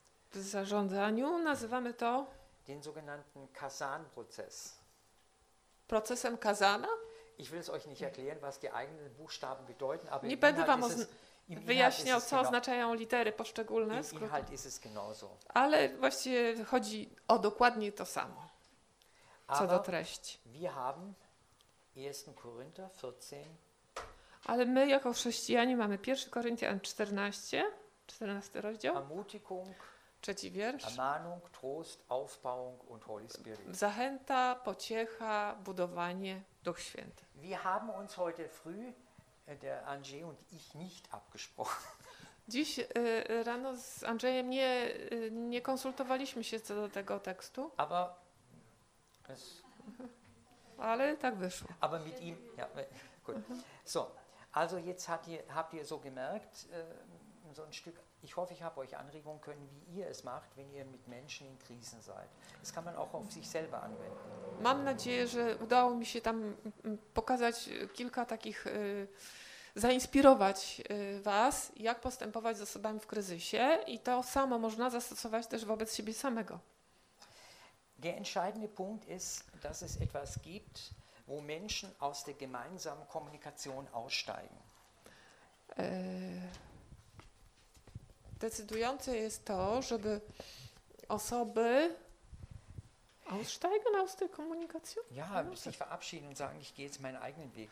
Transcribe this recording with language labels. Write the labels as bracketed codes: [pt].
[pl] W zarządzaniu nazywamy to [de] den sogenannten Kasan-Prozess. [pl] Procesem Kasana? [de] Ich will es euch nicht erklären, was die eigenen Buchstaben bedeuten, aber [pl] nie będę wam wyjaśniał, co oznaczają litery poszczególne. [de] Inhalt ist es genauso. [pl] Ale właściwie chodzi o dokładnie to samo. Co [de] aber [pl] do treści. [de] Wir haben 1. Korinther 14. [pl] Ale my jako chrześcijanie mamy 1. Koryntian 14, 14 rozdział. [de] Ermutigung. [pl] Trzeci wiersz. [de] Ermahnung, Trost, Aufbauung und [en] Holy Spirit. [pl] Zachęta, pociecha, budowanie, Duch Święty. [de] Wir haben uns heute früh, der Andrzej und ich, nicht abgesprochen. [pl] Dziś rano z Andrzejem nie konsultowaliśmy się co do tego tekstu. [de] Aber es [pl] ale tak wyszło. [de] Aber mit ihm, ja, gut. So, also jetzt habt ihr so gemerkt, so ein Stück. Ich hoffe, ich habe euch Anregungen können, wie ihr es macht, wenn ihr mit Menschen in Krisen seid. Das kann man auch auf sich selber anwenden. [pl] Mam nadzieję, że udało mi się tam pokazać kilka takich, zainspirować was, jak postępować z osobami w kryzysie i to samo można zastosować też wobec siebie samego. [de] Der entscheidende Punkt ist, dass es etwas gibt, wo Menschen aus der gemeinsamen Kommunikation aussteigen. [pl] Decydujące jest to, żeby osoby [de] Aussteigen aus der Kommunikation? Ja, sich verabschieden und sagen, ich gehe jetzt meinen eigenen Weg.